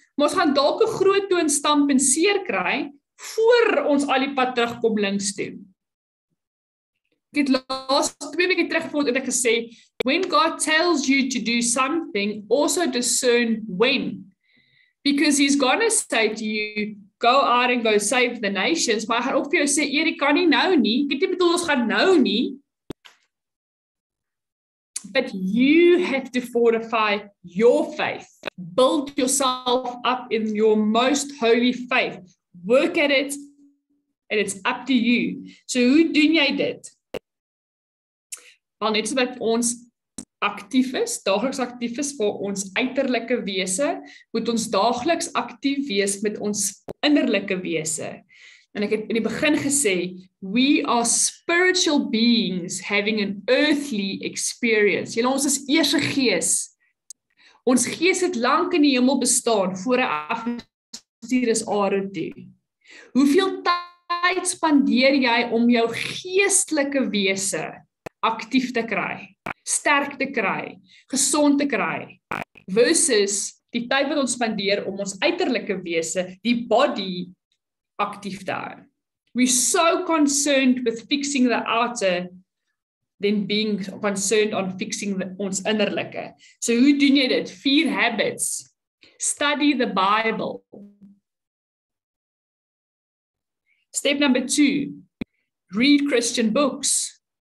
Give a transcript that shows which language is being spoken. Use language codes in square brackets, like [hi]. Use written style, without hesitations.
[af] Maar ons gaan dalk 'n groot toon stamp en seer kry, voor ons al die pad terugkom links toe. Ek het laatst 2 weke teruggevoel en ek gesê, [en] when God tells you to do something, also discern when. Because he's going to say to you, go out and go save the nations. [af] Maar hy gaan ook vir jou sê, Erik, kan nie nou nie. Ek het nie bedoel, ons gaan nou nie. [en] But you have to fortify your faith. Build yourself up in your most holy faith. Work at it, and it's up to you. [af] So hoe doen jy dit? Want net so dat ons aktief is, dagelijks aktief is vir ons uiterlijke wese, moet ons dagelijks aktief wees met ons innerlijke wese. En ek het in die begin gesê, [en] we are spiritual beings having an earthly experience. [af] Julle, ons is eers 'n gees. Ons gees het lank in die hemel bestaan, voor hy afgestuur is aarde toe. Hoeveel tyd spandeer jy om jou geestelike wese aktief te kry, sterk te kry, gesond te kry, versus die tyd wat ons spandeer om ons uiterlike wese, die body, aktief te hou. [en] We're so concerned with fixing the outer than being concerned on fixing [af] ons innerlike. So hoe doen jy dit? 4 habits. [en] Study the Bible. Step number 2. Read Christian books.